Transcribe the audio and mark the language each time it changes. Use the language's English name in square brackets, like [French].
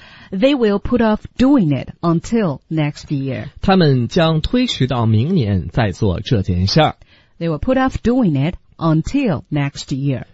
[English] they will put off doing it until next year. [Chinese] 他们将推迟到明年再做这件事儿。 [English] They will put off doing it until next year.